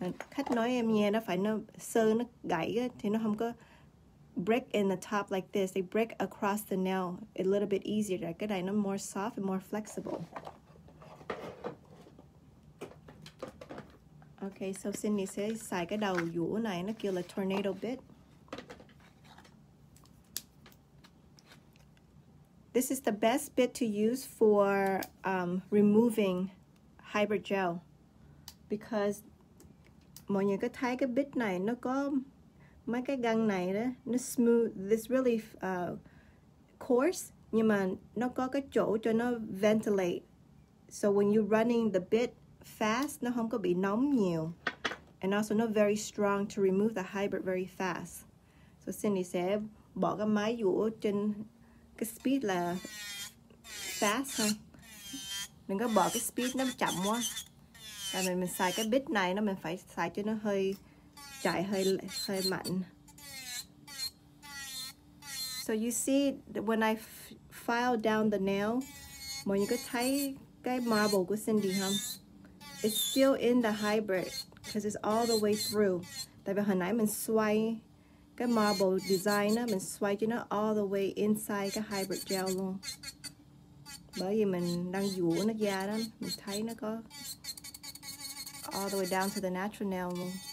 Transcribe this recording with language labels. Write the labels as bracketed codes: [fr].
[vi] Khách nói em nghe nó phải nó sơn nó gãy thì nó không có [en] break in the top like this, they break across the nail a little bit easier. [vi] Cái này nó [en] more soft and more flexible. [vi] Okay, so Cindy sẽ xài cái đầu dũa này, nó kêu là tornado bit. [en] This is the best bit to use for removing hybrid gel. [vi] Because mọi người có thấy cái bit này, nó có mấy cái găng này đó, nó smooth, [en] this really coarse, [vi] nhưng mà nó có cái chỗ cho nó ventilate. [en] So when you're running the bit fast, [vi] nó không có bị nóng nhiều. [en] And also not very strong to remove the hybrid very fast. [vi] So Cindy sẽ bỏ cái máy dũa trên cái speed là fast hơn. Đừng có bỏ cái speed nó chậm quá. Tại vì mình xài cái bit này, nó mình phải xài cho nó hơi chạy hơi mạnh. [en] So you see, when I file down the nail, [vi] mọi người có thấy cái marble của Cindy không? [en] It's still in the hybrid because it's all the way through. [vi] Tại vì hồi nãy mình xoay cái marble design á, mình xoay cho nó [en] all the way inside [vi] cái hybrid gel luôn. Bởi vì mình đang dũa nó ra đó, mình thấy nó có [en] all the way down to the natural nail [vi] luôn.